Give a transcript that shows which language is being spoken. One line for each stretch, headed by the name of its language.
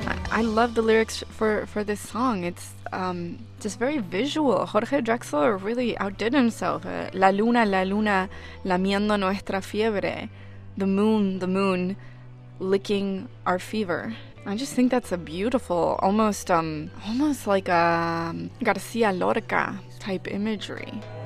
English: I love the lyrics for this song. It's just very visual. Jorge Drexler really outdid himself.
Spanish: La luna, lamiendo nuestra fiebre.
English: The moon, licking our fever. I just think that's a beautiful, almost like a García Lorca type imagery.